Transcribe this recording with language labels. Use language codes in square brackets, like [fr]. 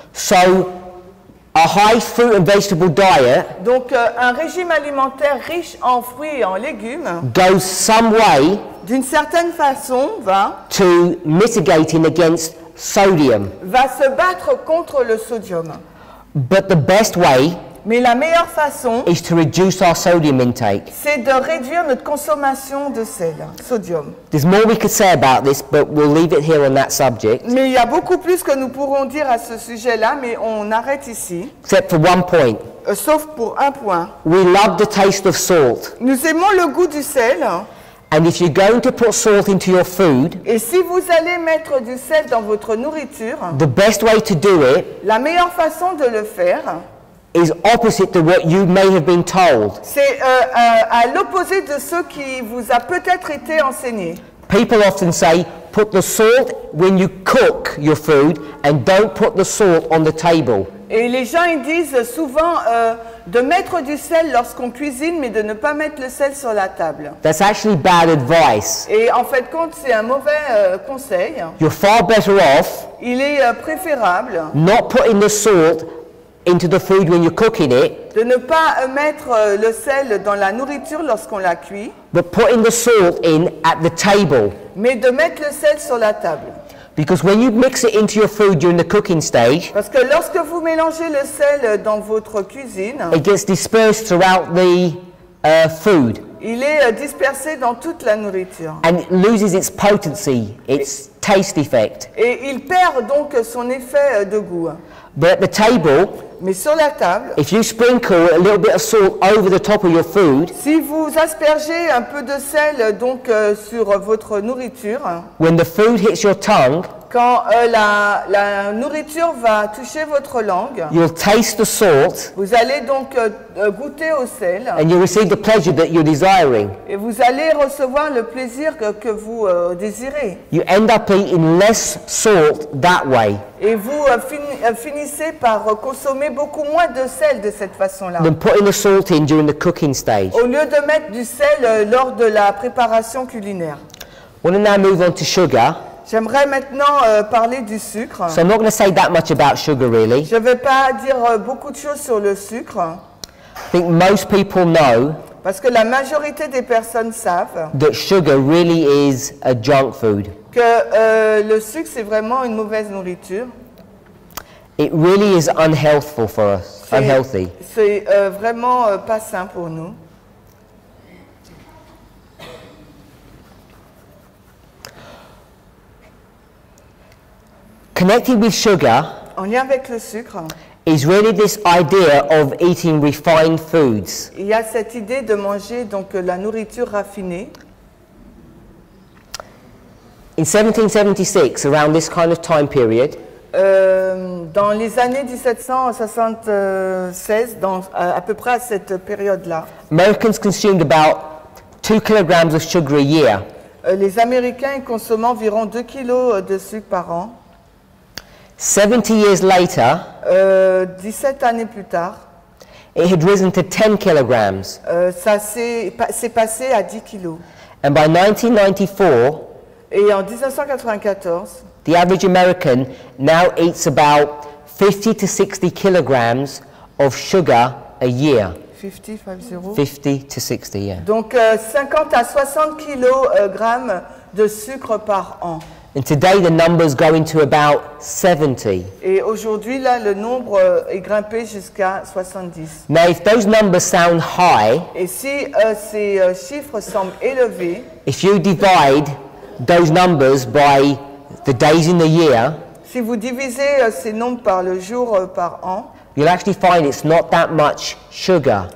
[en] So, a high fruit and vegetable diet. [fr] Donc, un régime alimentaire riche en fruits et en légumes. [en] Goes some way. [fr] D'une certaine façon, va. [en] To mitigating against. Sodium. [fr] Va se battre contre le sodium. [en] But the best way. [fr] Mais la meilleure façon. [en] Is to reduce our sodium intake. [fr] C'est de réduire notre consommation de sel, sodium. [en] There's more we could say about this, but we'll leave it here on that subject. [fr] Mais il y a beaucoup plus que nous pourrons dire à ce sujet-là, mais on arrête ici. [en] Except for one point. [fr] Sauf pour un point. [en] We love the taste of salt. [fr] Nous aimons le goût du sel. [en] And if you're going to put salt into your food, [fr] et si vous allez mettre du sel dans votre nourriture, [en] the best way to do it, [fr] la meilleure façon de le faire, [en] is opposite to what you may have been told. [fr] C'est à l'opposé de ce qui vous a peut-être été enseigné. [en] People often say, put the salt when you cook your food, and don't put the salt on the table. [fr] Et les gens ils disent souvent de mettre du sel lorsqu'on cuisine, mais de ne pas mettre le sel sur la table. [en] That's actually bad advice. [fr] Et en fait, compte, c'est un mauvais conseil. [en] You're far better off. [fr] Il est préférable. [en] Not putting the salt into the food when you're cooking it. [fr] De ne pas mettre le sel dans la nourriture lorsqu'on la cuit. [en] But putting the salt in at the table. [fr] Mais de mettre le sel sur la table. [en] Because when you mix it into your food during the cooking stage, [fr] parce que lorsque vous mélangez le sel dans votre cuisine, [en] it gets dispersed throughout the food. [fr] Il est dispersé dans toute la nourriture. [en] And it loses its potency, its taste effect. [fr] Et il perd donc son effet de goût. [en] But at the table, [fr] mais sur la table, [en] if you sprinkle a little bit of salt over the top of your food, [fr] si vous aspergez un peu de sel donc sur votre nourriture, [en] when the food hits your tongue, [fr] quand la nourriture va toucher votre langue, [en] you'll taste the salt, [fr] vous allez donc goûter au sel, [en] and you receive the pleasure that you're desiring, [fr] et vous allez recevoir le plaisir que vous désirez. [en] You end up eating less salt that way. [fr] Et vous finissez par consommer beaucoup moins de sel de cette façon-là. [en] Than putting the salt in during the cooking stage. [fr] Au lieu de mettre du sel lors de la préparation culinaire. [en] We're now moving on to sugar. [fr] J'aimerais maintenant parler du sucre. [en] So I'm not going to say that much about sugar, really. [fr] Je ne vais pas dire beaucoup de choses sur le sucre. [en] I think most people know. [fr] Parce que la majorité des personnes savent. [en] That sugar really is a junk food. [fr] que le sucre c'est vraiment une mauvaise nourriture. [en] It really is unhealthful for us. Unhealthy. [fr] C'est vraiment pas sain pour nous. [en] Connecting with sugar. [fr] En lien avec le sucre. [en] Is really this idea of eating refined foods. [fr] Il y a cette idée de manger donc la nourriture raffinée. [en] In 1776, around this kind of time period. [fr] Dans les années 1776, dans à peu près à cette période-là. [en] Americans consumed about 2 kilograms of sugar a year. [fr] Les Américains consomment environ 2 kilos de sucre par an. [en] 70 years later, [fr] 17 années plus tard, [en] it had risen to 10 kilograms. [fr] Ça s'est passé à 10 kilos. [en] And by 1994, [fr] et en 1994, [en] the average American now eats about 50 to 60 kilograms of sugar a year. 50 to 60, yeah. [fr] Donc 50 à 60 kilogrammes de sucre par an. [en] And today the numbers go into about 70. [fr] Et aujourd'hui là le nombre est grimpé jusqu'à 70. [en] Now if those numbers sound high. [fr] Et si ces chiffres semblent élevés. [en] If you divide those numbers by the days in the year. [fr] Si vous divisez ces nombres par le jour par an. [en] You'll actually find it's not that much sugar.